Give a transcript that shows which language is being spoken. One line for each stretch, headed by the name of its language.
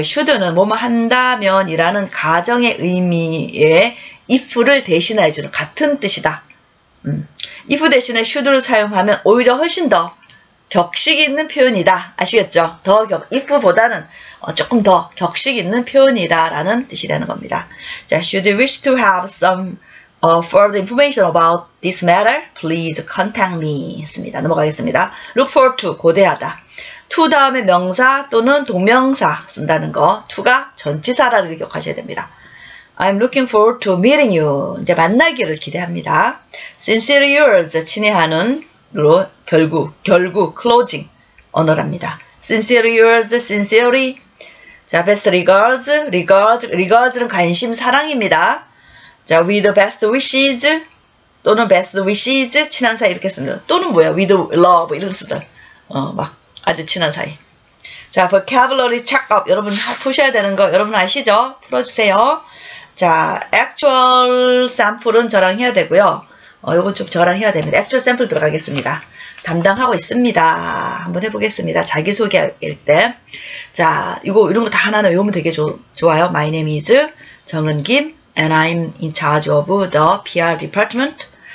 Korean: should는 뭐뭐 한다면이라는 가정의 의미에 if를 대신해주는 같은 뜻이다. if 대신에 should를 사용하면 오히려 훨씬 더 격식 있는 표현이다. 아시겠죠? 더 격, if보다는 조금 더 격식 있는 표현이다라는 뜻이 되는 겁니다.
English: 자, should you wish to have some further information about this matter, please contact me.
Korean: 했습니다. 넘어가겠습니다.
English: look forward to,
Korean: 고대하다. to 다음에 명사 또는 동명사 쓴다는 거, to가 전치사라는 걸 기억하셔야 됩니다.
English: I'm looking forward to meeting you.
Korean: 이제 만나기를 기대합니다.
English: sincerely yours,
Korean: 친애하는 로 결국 closing 언어랍니다.
English: Sincerely yours, sincerely. 자, best regards, regards는
Korean: 관심 사랑입니다. 자,
English: with the best wishes
Korean: 또는 best wishes 친한 사이 이렇게 쓰는 또는 뭐야
English: with love
Korean: 이런 쓰들 막 아주 친한 사이. 자, vocabulary checkup 여러분 푸셔야 되는 거 여러분 아시죠? 풀어주세요. 자, actual sample은 저랑 해야 되고요. 이건 좀 저랑 해야 됩니다. 액추얼 샘플 들어가겠습니다. 담당하고 있습니다. 한번 해보겠습니다. 자기소개일 때. 자, 이거 이런 거 다 하나 외우면 되게 좋아요.
English: My name is 정은김 and I'm in charge of the PR department.